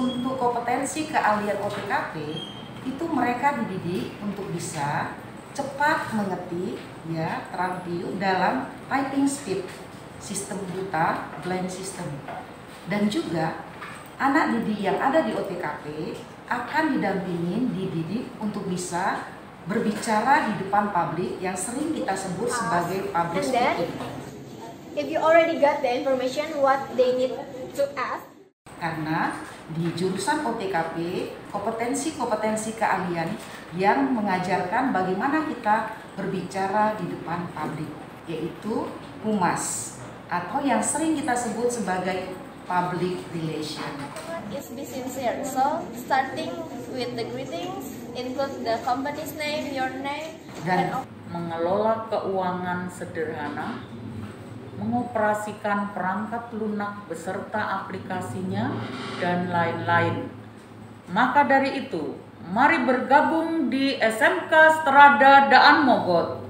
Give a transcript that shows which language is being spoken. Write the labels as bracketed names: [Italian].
[Indonesian] Keahlian OPKP itu mereka dididik untuk bisa cepat mengerti, ya, terampil dalam typing speed, sistem buta, blind system. Dan juga anak didik yang ada di OPKP akan didampingin, dididik untuk bisa berbicara di depan publik yang sering kita sebut sebagai public speaking. [English] If you already got the information what they need to ask. [Indonesian] Karena di jurusan OTKP, kompetensi-kompetensi keahlian yang mengajarkan bagaimana kita berbicara di depan publik, yaitu humas atau yang sering kita sebut sebagai public relation. [English] Is be sincere. So, starting with the greetings, include the company's name, your name. [Indonesian] Dan mengelola keuangan sederhana, mengoperasikan perangkat lunak beserta aplikasinya, dan lain-lain. Maka dari itu, mari bergabung di SMK Strada Daan Mogot.